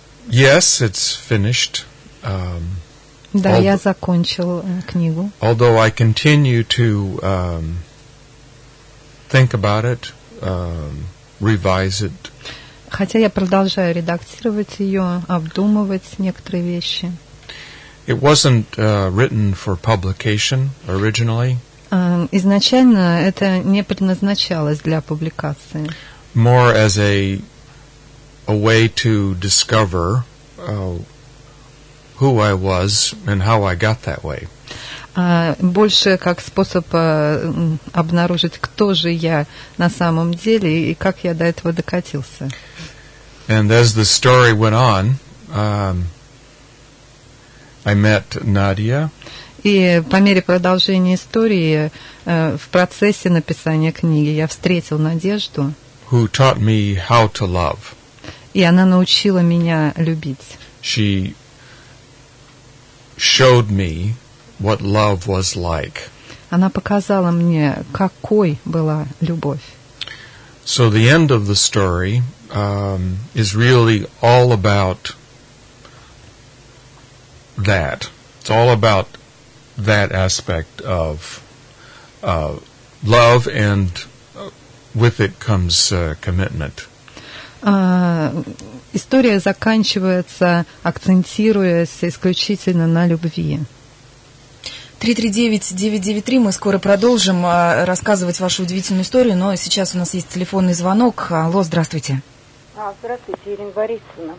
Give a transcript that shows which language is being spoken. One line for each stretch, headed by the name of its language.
English: Yes, it's finished.
Russian: Да, я закончил книгу.
English: Although I continue to think about it, revise it.
Russian: Хотя я продолжаю редактировать ее, обдумывать некоторые вещи.
English: It wasn't written for publication originally.
Russian: Изначально это не предназначалось для публикации.
English: More as a way to discover who I was and how I got that way.
Russian: Больше как способ обнаружить, кто же я на самом деле и как я до этого докатился.
English: And as the story went on, I met Nadia.
Russian: И по мере продолжения истории, в процессе написания книги, я встретил Надежду.
English: Who taught me how to love.
Russian: И она научила меня любить.
English: She showed me what love was like.
Russian: Она показала мне, какой была любовь.
English: So the end of the story is really all about that. It's all about that aspect of love, and with it comes commitment.
Russian: История заканчивается, акцентируясь исключительно на любви. 339-993, мы скоро продолжим рассказывать вашу удивительную историю, но сейчас у нас есть телефонный звонок. Алло, здравствуйте. Здравствуйте, Ирина Борисовна.